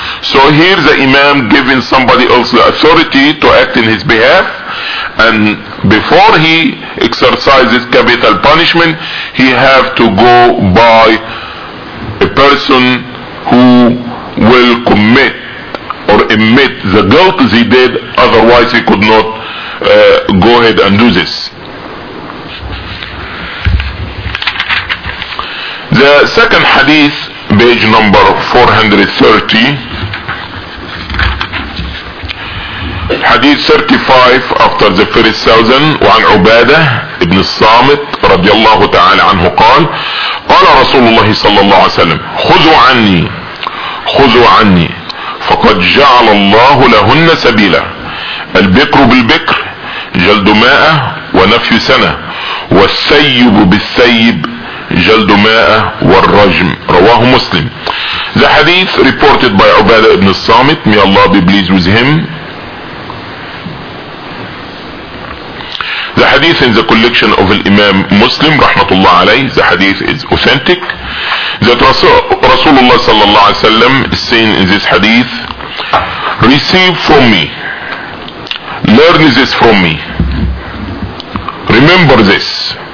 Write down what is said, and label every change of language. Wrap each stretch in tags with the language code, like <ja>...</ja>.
<en>So here the imam giving somebody else the authority to act in his behalf, and before he exercises capital punishment, he have to go by a person who will commit or admit the guilt he did, otherwise he could not go ahead and do this. The second hadith, page number 430, hadith 35 after the first thousand,</en> <ar>وعن عبادة ابن الصامت رضي الله تعالى عنه قال قال رسول الله صلى الله عليه وسلم خذوا عني خذوا عني فقد جعل الله لهن سبيلا البكر بالبكر جلد ماء ونفي سنة والسيب بالسيب جلد ماء والرجم رواه مسلم.</ar> <en>The hadith reported by Ubadah ibn al-Samit, may Allah be pleased with him. The hadith in the collection of Imam Muslim rahmatullah alayhi, the hadith is authentic, that Rasulullah sallallahu alayhi wasallam is saying in this hadith, receive from me, learn this from me, remember this.</en>